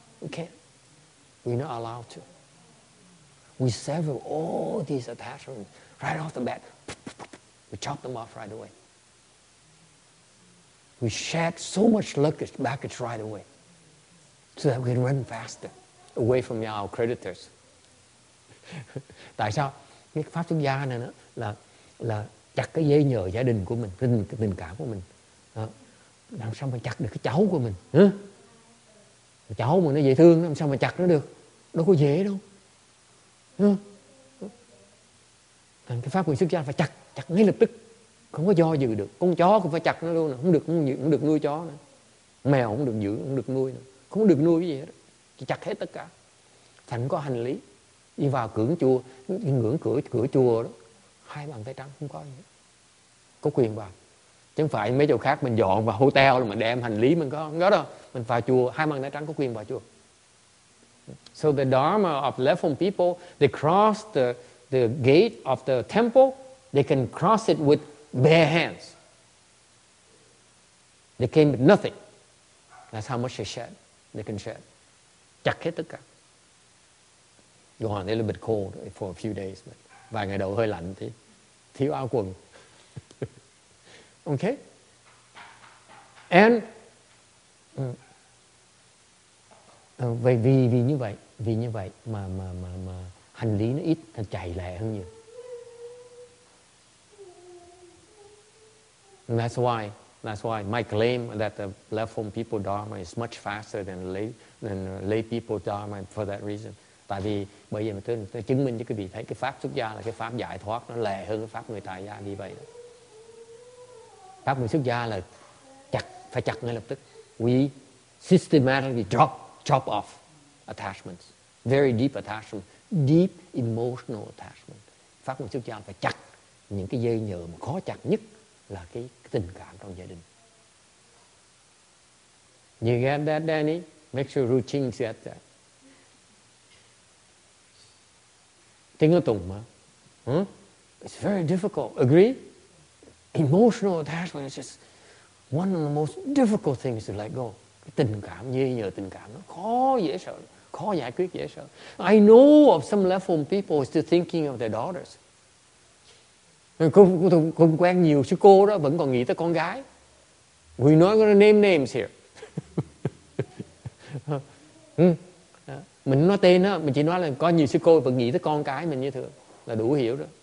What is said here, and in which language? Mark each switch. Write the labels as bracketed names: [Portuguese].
[English] We can't. We're not allowed to. We sever all these attachments right off the bat. We chop them off right away. We shed so much luggage baggage right away so that we can run faster away from our creditors. [Vietnamese] Tại sao? Cái pháp xuất gia này đó là chặt cái dây nhờ gia đình của mình, cái tình cảm của mình. Làm sao mà chặt được cái cháu của mình? Cháu mà nó dễ thương, làm sao mà chặt nó được? Đâu có dễ đâu. Thành cái pháp quyền xuất gia phải chặt ngay lập tức, không có do dự được. Con chó cũng phải chặt nó luôn, không được nuôi chó nữa, mèo không được giữ, không được nuôi nữa, không được nuôi cái gì hết, chỉ chặt hết tất cả. Thành có hành lý đi vào ngưỡng cửa chùa đó, 2 bàn tay trắng không có gì hết. Có quyền vào, chứ không phải mấy chỗ khác mình dọn vào hotel rồi mình đem hành lý mình có, không có đâu. Mình vào chùa 2 bàn tay trắng có quyền vào chùa. [English] So the dharma of left home people, they cross the gate of the temple, they can cross it with bare hands. They came with nothing. That's how much they shed. They can shed. [Vietnamese] Chặt hết tất cả. [English] You want a little bit cold for a few days, but [Vietnamese] vài ngày đầu hơi lạnh thì thiếu áo quần. [English] Okay? [Vietnamese] And vì như vậy mà hành lý nó ít, nó chạy lẹ hơn nhiều. [English] And that's why my claim that the platform people dharma is much faster than lay people dharma for that reason. [Vietnamese] Tại vì bây giờ tôi chứng minh cho quý vị thấy cái pháp xuất gia là cái pháp giải thoát nó lẹ hơn cái pháp người tại gia như vậy. Pháp người xuất gia là phải chặt ngay lập tức. [English] We systematically chop off attachments, very deep attachment, deep emotional attachment. [Vietnamese] Pháp người xuất gia phải chặt những cái dây nhờ mà khó chặt nhất là cái tình cảm trong gia đình. [English] You get that, Danny? Make sure Ruching said that. [Vietnamese] Tiếng nó tùng mà. [English] It's very difficult. Agree? Emotional attachment is just one of the most difficult things to let go. [Vietnamese] Cái tình cảm, dây nhờ tình cảm nó khó dễ sợ, khó giải quyết dễ sợ. [English] I know of some left-home people still thinking of their daughters. [Vietnamese] Cũng quen nhiều sư cô đó vẫn còn nghĩ tới con gái. [English] We're not gonna name names here. [Vietnamese] Mình nói tên đó, mình chỉ nói là có nhiều sư cô vẫn nghĩ tới con cái mình như thường là đủ hiểu rồi.